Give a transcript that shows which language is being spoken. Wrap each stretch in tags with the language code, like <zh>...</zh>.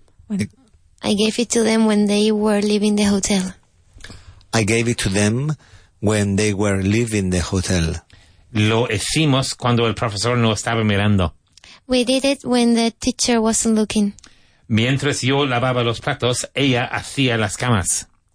<en>I gave it to them when they were leaving the hotel. I gave it to them when they were leaving the hotel.</en> <es>Lo hicimos cuando el profesor no estaba mirando.</es> <en>We did it when the teacher wasn't looking.</en> <es>Mientras yo lavaba los platos, ella hacía las camas.</es>